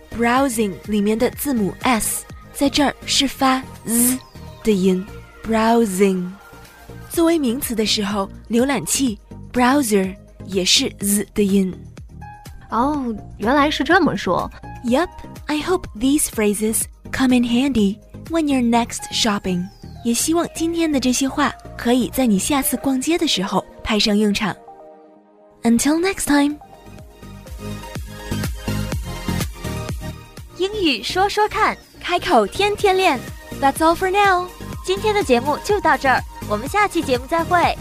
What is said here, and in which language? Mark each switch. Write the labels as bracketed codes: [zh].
[zh] Browsing 里面的字母 S 在这儿是发 Z 的音。 Browsing 作为名词的时候，浏览器 Browser 也是 Z 的音。哦，原来是这么说。 [en] Yup, I hope these phrases come in handy when you're next shopping. [zh] 也希望今天的这些话可以在你下次逛街的时候派上用场。 [en] Until next time. [zh] 英语说说看，开口天天练。 [en] That's all for now. [zh] 今天的节目就到这儿，我们下期节目再会。